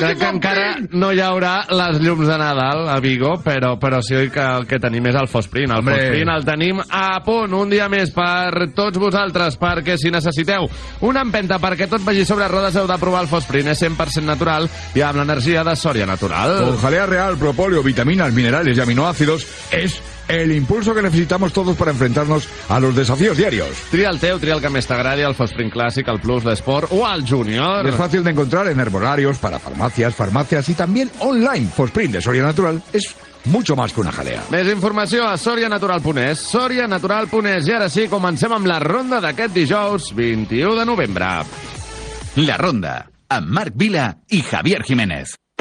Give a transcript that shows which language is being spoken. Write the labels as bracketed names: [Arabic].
[Catalan] Crec que encara no hi haurà les llums de Nadal a Vigo, però sí que el que tenim és el Fosprin. El Fosprin el tenim a punt un dia més per tots vosaltres, perquè si necessiteu una empenta perquè tot vagi sobre rodes, heu de provar el Fosprin. És 100% natural i amb l'energia de Sòria Natural. [Spanish] Con jalea real, propóleo, vitaminas, minerales y aminoácidos, es el impulso que necesitamos todos para enfrentarnos a los desafíos diarios. [Catalan] Tria el teu, tria el que més t'agradi, el Fosprin Clàssic, el Plus, l'Esport o el Junior. [Spanish] Es fácil de encontrar en herbolarios, para farmacias y también online. Fosprin de Sòria Natural es mucho más que una jalea. [Catalan] Més informació a sòrianatural.es. Sòria Natural.es. I ara sí, comencem amb la ronda d'aquest dijous 21 de novembre. La ronda amb Marc Vila i Javier Jiménez.